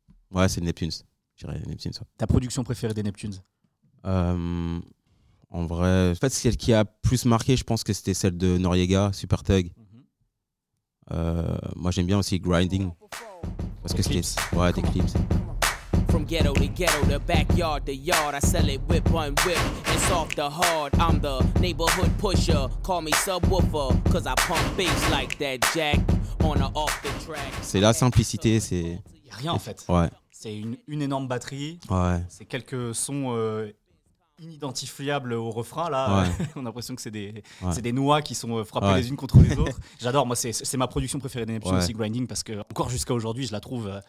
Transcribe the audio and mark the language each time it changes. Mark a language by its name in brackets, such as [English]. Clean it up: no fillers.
[French] Ouais, c'est Neptunes. Je dirais Neptunes. Ta production préférée des Neptunes? En vrai, en fait, celle qui a plus marqué, je pense que c'était celle de Noriega, Super Thug. Moi, j'aime bien aussi Grinding. Parce que c'est ouais, des clips. [English] From ghetto to ghetto, the backyard to yard, I sell it whip on whip, it's off the hard. I'm the neighborhood pusher, call me subwoofer, cause I pump bass like that jack on or off the track. [French] C'est la simplicité, c'est... Y'a rien en fait. Ouais. C'est une énorme batterie, ouais. C'est quelques sons inidentifiables au refrain là, ouais. On a l'impression que c'est des, ouais. C'est des noix qui sont frappées, ouais. Les unes contre les autres. J'adore, moi c'est ma production préférée des Neptunes, ouais. Aussi Grinding, parce que encore jusqu'à aujourd'hui je la trouve